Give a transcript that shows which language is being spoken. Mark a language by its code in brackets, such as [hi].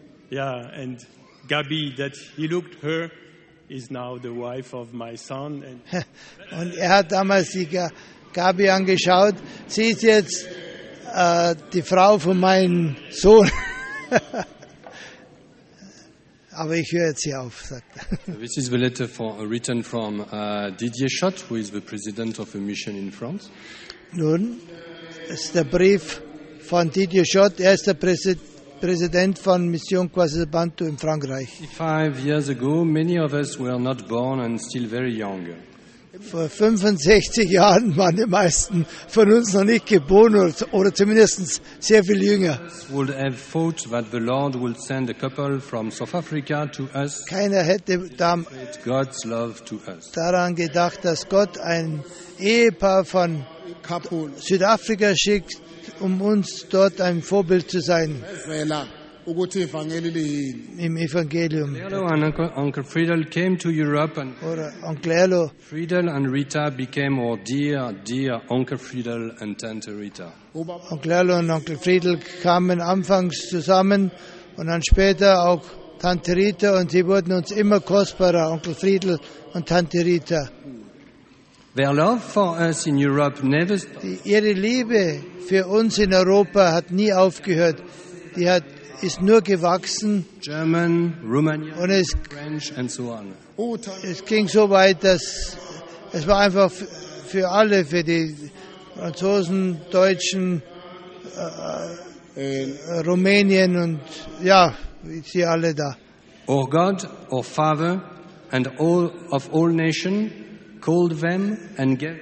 [en] Yeah, and Gabi, that he looked her, is now the wife of my son. And [de] und er hat damals die Gabi angeschaut. Sie ist jetzt die Frau von meinem Sohn. Aber ich höre jetzt hier auf, sagt er. [en] This is the letter written from Didier Schott, who is the president of a mission in France. [de] Nun, ist der Brief von Didier Schott, er ist der Präsident von Mission Kwasisabantu in Frankreich. [en] 65 years ago, many of us were not born and still very young. [de] Vor 65 Jahren waren die meisten von uns noch nicht geboren oder zumindest sehr viel jünger. [en] Would have thought that the Lord would send a couple from South Africa to us. [de] Keiner hätte [en] God's love to us. [de] Daran gedacht, dass Gott ein Ehepaar von Südafrika schickt, um uns dort ein Vorbild zu sein. [zu] ukuthi ivangeli liyini. [de] Im Evangelium. [en] Uncle Friedel came to Europe and Uncle Elo. Friedel and Rita became our dear Uncle Friedel and Tante Rita. [de] Uncle Elo und Onkel Friedel kamen anfangs zusammen und dann später auch Tante Rita und sie wurden uns immer kostbarer, Onkel Friedel und Tante Rita. [en] Their love for us in Europe never stopped. [de] Ihre Liebe für uns in Europa hat nie aufgehört. Die hat ist nur gewachsen. [en] German, Romanian, French and so on. [de] Es ging so weit, dass es war einfach für alle, für die Franzosen, Deutschen, Rumänien und ja, sie alle da. [en] Our God, our Father and all of all nations called them and gave